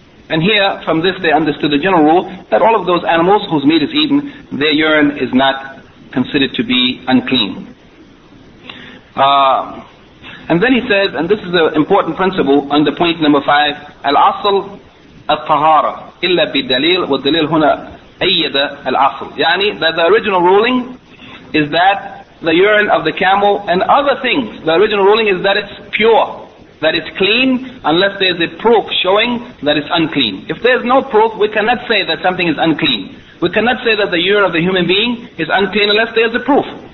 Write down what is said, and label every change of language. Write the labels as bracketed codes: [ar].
[en] And here, from this they understood the general rule that all of those animals whose meat is eaten, their urine is not considered to be unclean. And then he says, and this is an important principle under point number five, [ar] al-asl al-tahara. إلا بالدليل والدليل هنا أيد الأصل. يعني [en] that the original ruling is that the urine of the camel and other things, the original ruling is that it's pure, that it's clean, unless there's a proof showing that it's unclean. If there's no proof, we cannot say that something is unclean. We cannot say that the urine of the human being is unclean unless there's a proof.